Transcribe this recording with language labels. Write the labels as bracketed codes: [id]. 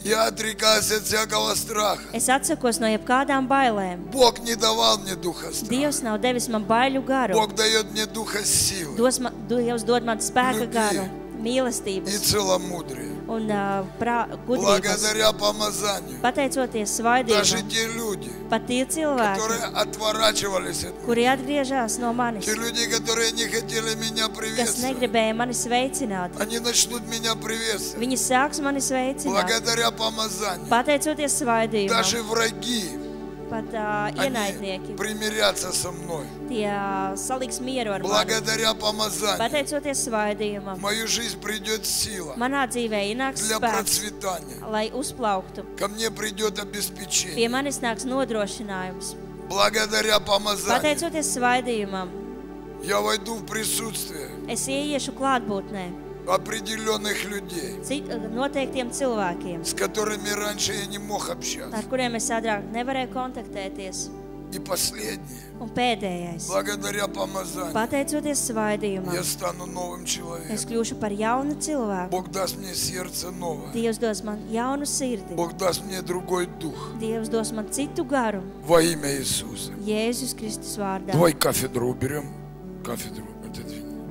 [ru] Я отрекаюсь от всякого страха. [lv] Es atsakos no jebkādām bailēm. [ru] Бог не давал мне духа страха. [lv] Dievs nav devis man baiļu garu. [ru] Бог даёт мне духа силы. [lv] Dievs dod man spēka garu. Mīlestības. [ru] И целомудрие. [lv] Un gudrības. [ru] Благодаря помазанию. [lv] Pateicoties svaidījumam. [ru] Даже те люди. [lv] Pat tie cilvēki. [ru] Которые отворачивались от меня. [lv] Kuri atgriežās no manis. [ru] Те люди, которые не хотели меня приветствовать. [lv] Kas negribēja mani sveicināt. [ru] Они начнут меня приветствовать. [lv] Viņi sāks mani sveicināt. [ru] Благодаря помазанию. [lv] Pateicoties svaidījumam. [ru] Даже враги. [lv] Pat ienaidnieki. [ru] Они примирятся со мной. [lv] Tie saliks mieru ar mani. [ru] Благодаря помазанию. [lv] Pateicoties svaidījumam. [ru] Мою жизнь придёт сила. [lv] Manā dzīvē ienāks [ru] для [lv] spēks. [ru] Для процветания. [lv] Lai uzplauktu. [ru] Ко мне придёт обеспечение. [lv] Pie manis nāks nodrošinājums. [ru] Благодаря помазанию. [lv] Pateicoties svaidījumam. [ru] Я войду в присутствие. [lv] Es ieiešu klātbūtnē. [ru] Определённых людей. [lv] Noteiktiem cilvēkiem. [ru] С которыми раньше я не мог общаться. [lv] Ar kuriem es agrāk nevarēju kontaktēties. [ru] И последнее. [lv] Un pēdējais. [ru] Благодаря помазанию. [lv] Pateicoties svaidījumam. [ru] Я стану новым человеком. [lv] Es kļūšu par jaunu cilvēku. [ru] Бог даст мне сердце новое. [lv] Dievs dos man jaunu sirdi. [ru] Бог даст мне другой дух. [lv] Dievs dos man citu garu. [ru] Во имя Иисуса. [lv] Jēzus Kristus vārdā. Vai kafedru uberiem? Kafedru atdevini.